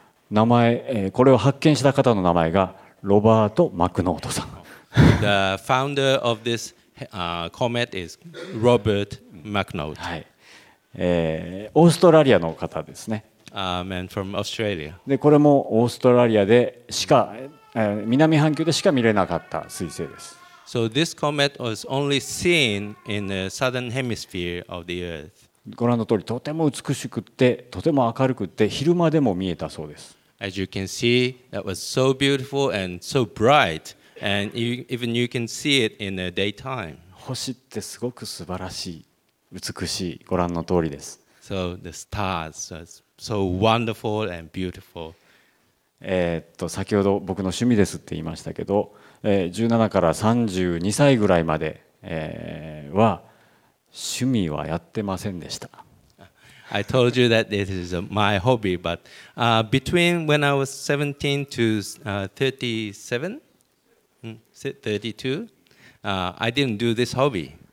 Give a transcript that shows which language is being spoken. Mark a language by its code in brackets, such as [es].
[ja] 名前、これを発見した方の名前がロバート・マクノートさん。 [en] The founder of this comet is Robert Macnaughton. [ja] はい、オーストラリアの方ですね。 [en] Man from Australia. [ja] で、これもオーストラリアでしか、南半球でしか見れなかった彗星です。 [en] So this comet was only seen in the southern hemisphere of the Earth. [ja] ご覧の通り、とても美しくて、とても明るくて、昼間でも見えたそうです。 [en] As you can see, that was so beautiful and so bright, and even you can see it in the daytime. [ja] 星ってすごく素晴らしい、美しい、ご覧の通りです。 [en] So the stars are so wonderful and beautiful. [ja] 先ほど僕の趣味ですって言いましたけど、17から32歳ぐらいまでは趣味はやってませんでした。 [en] I told you that this is my hobby, but between when I was 17 to 32, I didn't do this hobby.